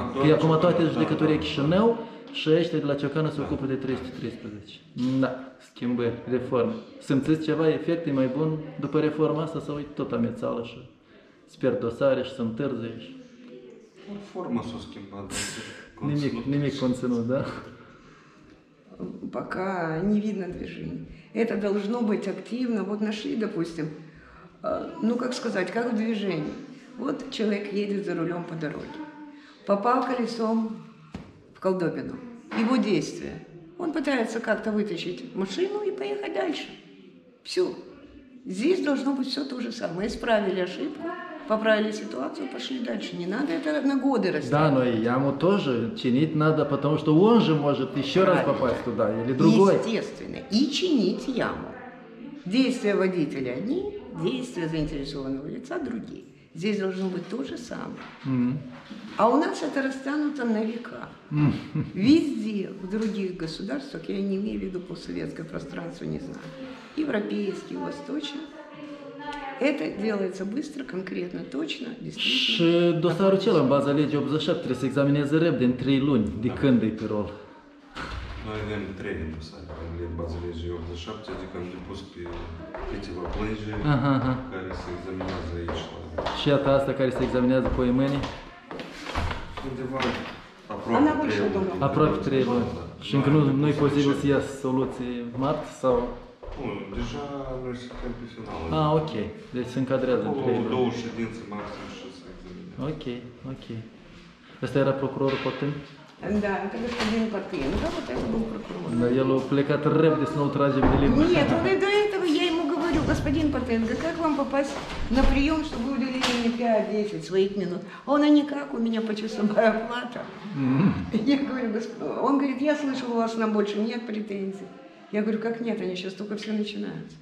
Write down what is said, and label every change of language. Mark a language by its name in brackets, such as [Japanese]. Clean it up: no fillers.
[Romanian] A, că acum toate judecătorii Chișinău și ăștia de la Ciocană se ocupă de 313. Da, schimbări, reforme. Simțiți ceva, efect e mai bun după reforma asta sau e tot amețală și sper dosare și sunt târzii și... Forma s-a schimbat. Nimic, nimic conținut, da? [Russian] Пока не видно движений. Это должно быть активно. Вот нашли, допустим, ну как сказать, как в движении. Вот человек едет за рулем по дороге. Попал колесом в колдобину. Его действие. Он пытается как-то вытащить машину и поехать дальше. Все. Здесь должно быть все то же самое. Исправили ошибку. Поправили ситуацию, пошли дальше. Не надо это на годы растягивать. Да, но и яму тоже чинить надо, потому что он же может еще правильно раз попасть туда или другой. Естественно. И чинить яму. Действия водителя одни, действия заинтересованного лица другие. Здесь должно быть то же самое. Mm-hmm. А у нас это растянуто на века. Mm-hmm. Везде, в других государствах, я не имею в виду постсоветское пространство, не знаю, европейский, восточный, это делается быстро, конкретно, точно, действительно. [Romanian] Și dosarul cel în baza legii 87 trebuie să examineze repede, în 3 luni, de când e pe rol. Noi avem 3 în baza legii 87, adică am depus pe câteva plângeri care se examinează aici. Și iată asta care se examinează pe mâine? Undeva aproape 3 luni. Aproape 3 luni. Și încă nu e posibil să iasă soluții mart sau... Bun, deja noi suntem pe final. Ah, ok. Deci se încadrează între ele. Două ședințe maxim și să examinăm. Ok, ok. Ăsta era procurorul Potem? Da, încă găspodin Potem. Da, Potem a fost procurorul. Dar el a plecat repede să nu-l tragem de limba. [Russian] Нет, он и до этого, я ему говорю, господин Потенко, как вам попасть на прием, чтобы уделили мне 5-10 своих минут? Он, а никак, у меня почасовая оплата. Я говорю, господин... Он говорит, я слышал, у вас нам больше нет претензий. Я говорю, как нет, они сейчас только все начинаются.